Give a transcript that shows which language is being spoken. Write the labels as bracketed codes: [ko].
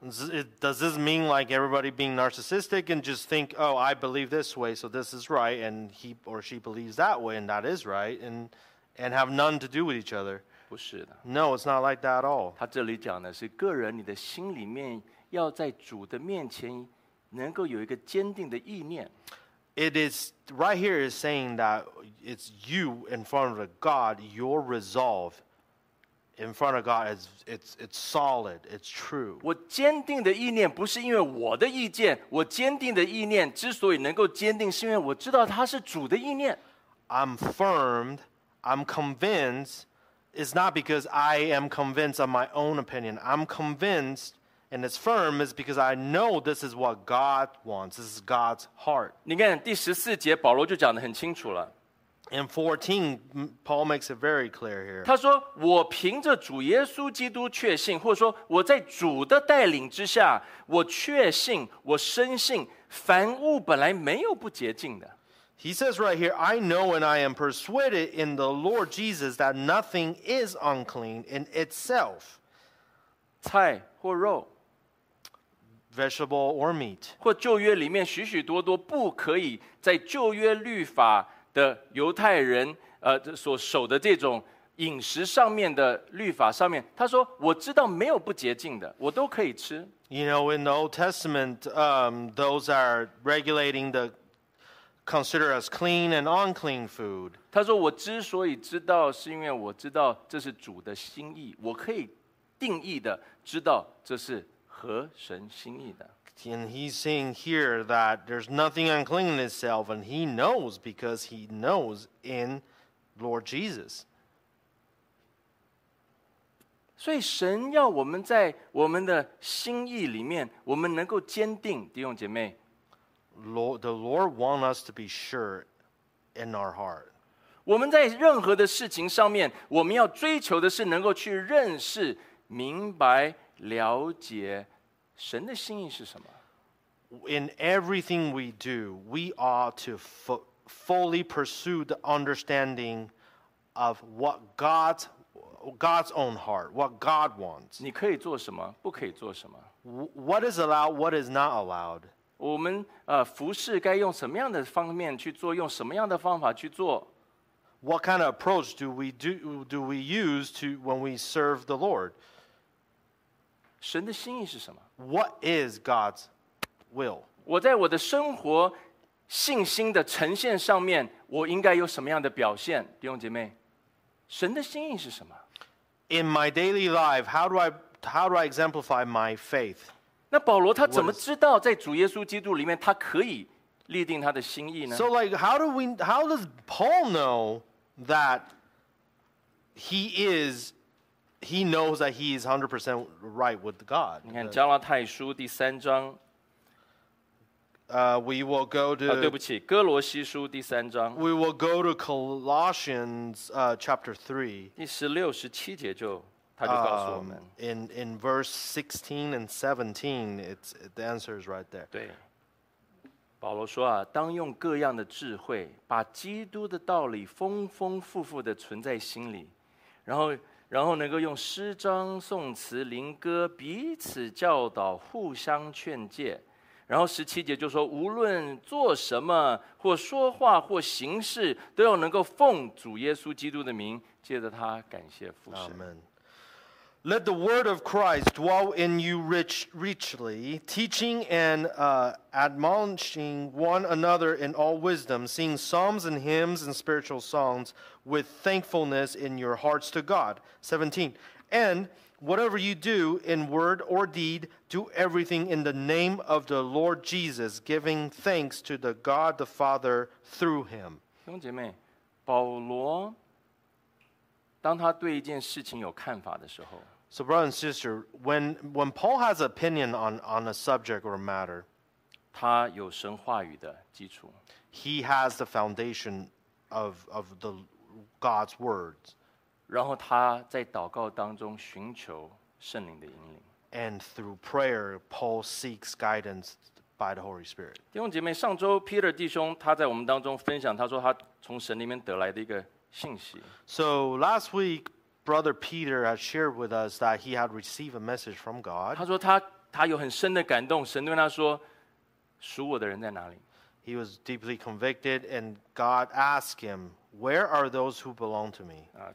[en] Does this mean like everybody being narcissistic and just think, oh, I believe this way, so this is right, and he or she believes that way, and that is right, and have none to do with each other? [zh] 不是的。 [en] No, it's not like that at all. [zh] 他这里讲的是个人，你的心里面要在主的面前能够有一个坚定的意念。 [en] It is right here is saying that it's you in front of God, your resolve in front of God is it's solid, it's true. [zh] 我坚定的意念不是因为我的意见，我坚定的意念之所以能够坚定，是因为我知道它是主的意念。 [en] I'm firm, I'm convinced, it's not because I am convinced of my own opinion. I'm convinced. And it's firm is because I know this is what God wants. This is God's heart. [zh] 你看第十四节，保罗就讲得很清楚了。 [en] In 14, Paul makes it very clear here. [zh] 他说，我凭着主耶稣基督确信，或者说我在主的带领之下，我确信，我深信，凡物本来没有不洁净的。 [en] He says right here, I know and I am persuaded in the Lord Jesus that nothing is unclean in itself. [zh] 菜或肉。 [en] Vegetable or meat. [zh] 或旧约里面许许多多不可以在旧约律法的犹太人所守的这种饮食上面的律法上面，他说我知道没有不洁净的，我都可以吃。 [en] You know, in the Old Testament, those are regulating the considered as clean and unclean food. [zh] 他说我之所以知道，是因为我知道这是主的心意，我可以定义的知道这是合神心意的。 [en] And he's saying here that there's nothing unclean in itself, and he knows because he knows in Lord Jesus. [zh] 所以神要我们在我们的心意里面，我们能够坚定，弟兄姐妹。 [en] Lord, the Lord wants us to be sure in our heart. [zh] 我们在任何的事情上面，我们要追求的是能够去认识、明白、了解。神的心意是什么？ [en] In everything we do, we ought to fully pursue the understanding of what God's own heart, what God wants. [zh] 你可以做什么？不可以做什么？ [en] What is allowed? What is not allowed? [zh] 我们服事该用什么样的方面去做？用什么样的方法去做？ [en] What kind of approach do we use to when we serve the Lord? [zh] 神的心意是什么？ [en] What is God's will? [zh] 我在我的生活信心的呈现上面，我应该有什么样的表现？弟兄姐妹，神的心意是什么？ [en] In my daily life, how do I exemplify my faith? [zh] 那保罗他怎么知道在主耶稣基督里面他可以立定他的心意呢？ [en] So like, how does Paul know that he knows that he is 100% right with God. [zh] 你看加拉太书第三章。 [en] We will go to. [zh] 对不起，哥罗西书第三章。 [en] We will go to Colossians chapter 3. [zh] 第十六、十七节就他就告诉我们。 [en] In verse 16 and 17, the answer is right there. [zh] 对，保罗说啊，当用各样的智慧，把基督的道理丰丰富富的存在心里，然后能够用诗章、颂词、灵歌彼此教导、互相劝诫。然后十七节就说，无论做什么或说话或行事，都要能够奉主耶稣基督的名，借着他感谢父神。 [en] Amen. Let the word of Christ dwell in you richly, teaching and admonishing one another in all wisdom, singing psalms and hymns and spiritual songs with thankfulness in your hearts to God. 17. And whatever you do in word or deed, do everything in the name of the Lord Jesus, giving thanks to the God the Father through him. [zh] 弟兄姐妹，保罗当他对一件事情有看法的时候， [en] So brother and sister, when Paul has an opinion on a subject or a matter, [zh] 他有神话语的基础， [en] He has the foundation of the God's words. [zh] 然后他在祷告当中寻求圣灵的引领， [en] And through prayer, Paul seeks guidance by the Holy Spirit. [zh] 弟兄姐妹，上周 Peter 弟兄他在我们当中分享，他说他从神里面得来的一个信息。 [en] So last week, Brother Peter had shared with us that he had received a message from God. [zh] 他说他有很深的感动，神对他说，属我的人在哪里？ [en] He was deeply convicted, and God asked him, "Where are those who belong to me?"